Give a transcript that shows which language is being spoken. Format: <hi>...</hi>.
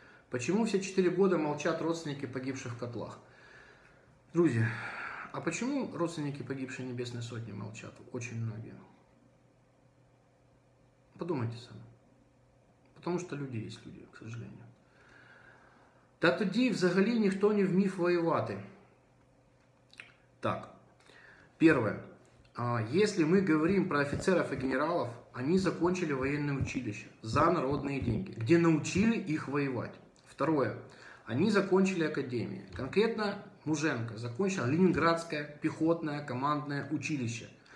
<ru>Почему все 4 года молчат родственники погибших в котлах? Друзья, а почему родственники погибшей Небесной Сотни молчат? Очень многие. Подумайте сами. Потому что люди есть люди, к сожалению.</ru> <uk>Да тоді взагалі ніхто не вмів воювати.</uk> <ru>Так. Первое. Если мы говорим про офицеров и генералов, они закончили военное училище за народные деньги, где научили их воевать. Второе. Они закончили академии. Конкретно Муженко закончил Ленинградское пехотное командное училище.</ru>